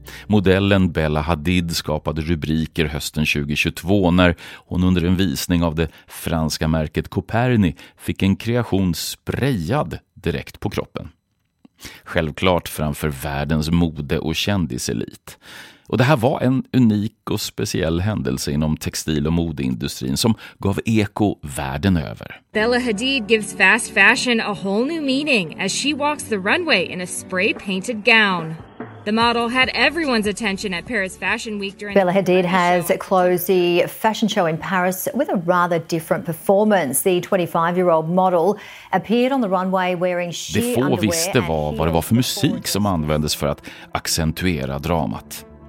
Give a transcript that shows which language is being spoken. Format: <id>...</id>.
<sv>Modellen Bella Hadid skapade rubriker hösten 2022 när hon under en visning av det franska märket Coperni fick en kreation sprayad direkt på kroppen. Självklart framför världens mode- och kändiselit. Och det här var en unik och speciell händelse inom textil- och modeindustrin som gav eko världen över.</sv> <en>Bella Hadid gives fast fashion a whole new meaning as she walks the runway in a spray-painted gown. The model had everyone's attention at Paris Fashion Week during Bella Hadid has closed the fashion show in Paris with a rather different performance. The 25-year-old model appeared on the runway wearing sheer underwear.</en> <sv>Det få visste var vad det var för musik som användes för att accentuera dramat.</sv>